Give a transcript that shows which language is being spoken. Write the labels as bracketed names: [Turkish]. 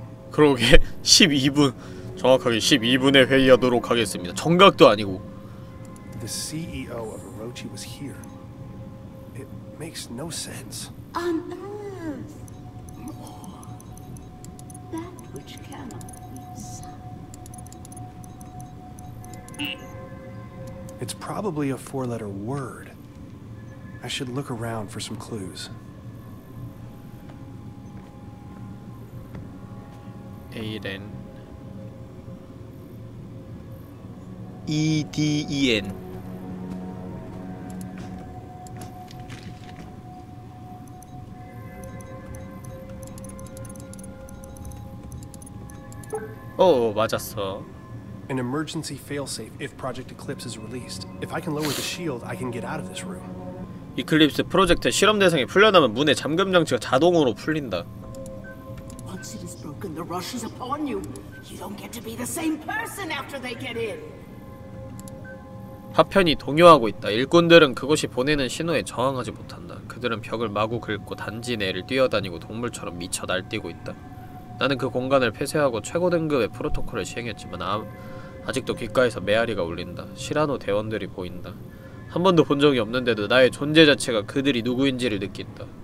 [Korean] 그러게. 12분. 정확하게 12분에 회의하도록 하겠습니다. 정각도 아니고. [English] The CEO of Orochi was here. It makes no sense. On Earth. It's probably a four-letter word. I should look around for some clues. Aiden. EDEN. [Korean] 오, 맞았어. [English] An emergency failsafe if Project Eclipse is released. If I can lower the shield, I can get out of this room. [Korean] Eclipse 프로젝트 실험 대상이 풀려나면 문의 잠금 장치가 자동으로 풀린다. [English] Once it is broken, the rush is upon you. You don't get to be the same person after they get in. [Korean] 파편이 동요하고 있다. 일꾼들은 그곳이 보내는 신호에 저항하지 못한다. 그들은 벽을 마구 긁고 단지 내를 뛰어다니고 동물처럼 미쳐 날뛰고 있다. 나는 그 공간을 폐쇄하고 최고 등급의 프로토콜을 시행했지만 아직도 귓가에서 메아리가 울린다. 시라노 대원들이 보인다. 한 번도 본 적이 없는데도 나의 존재 자체가 그들이 누구인지를 느낀다.